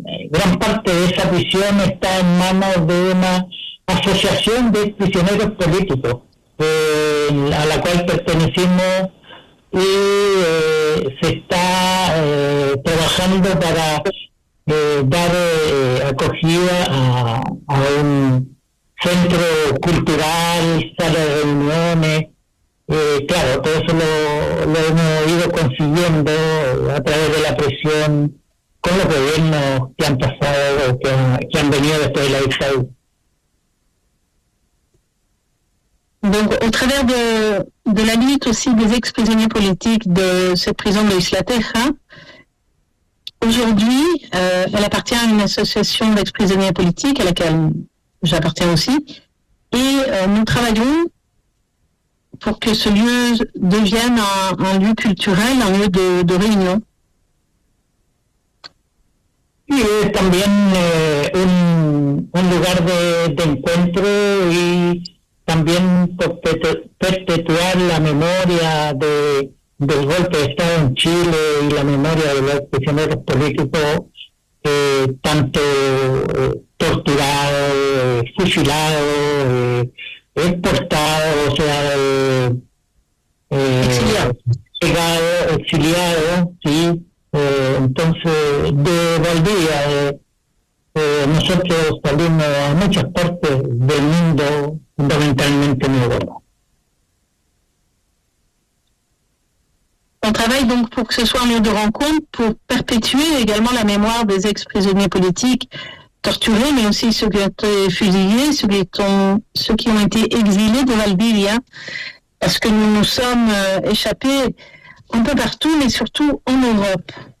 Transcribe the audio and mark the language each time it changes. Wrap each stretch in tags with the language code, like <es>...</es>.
<es>gran parte de esa prisión está en manos de una asociación de ex prisioneros políticos a la cual pertenecimos y se está trabajando para dar acogida a un centro cultural, sala de reuniones, claro, todo eso lo hemos ido consiguiendo a través de la presión con los gobiernos que han pasado, que han venido después de la dictadura.</es> <fr>Donc, au travers de la lutte aussi des ex-prisonniers politiques de cette prison de Isla Teja, aujourd'hui, elle appartient à une association d'ex-prisonniers politiques à laquelle j'appartiens aussi, et nous travaillons pour que ce lieu devienne un lieu culturel, un lieu de réunion.</fr> <es>Y es también un lugar de encuentro y también perpetuar la memoria del golpe de Estado en Chile y la memoria de los prisioneros políticos tanto torturado, fusilado, exportado, o sea, exiliado, sí. Entonces, de Valdivia, nosotros salimos a muchas partes del mundo, fundamentalmente en Europa.</es> <fr>On travaille donc pour que ce soit un lieu de rencontre, pour perpétuer également la mémoire des ex-prisonniers politiques torturés, mais aussi ceux qui ont été fusillés, ceux qui ont été exilés de Valdivia, parce que nous nous sommes échappés un peu partout, mais surtout en Europe.</fr>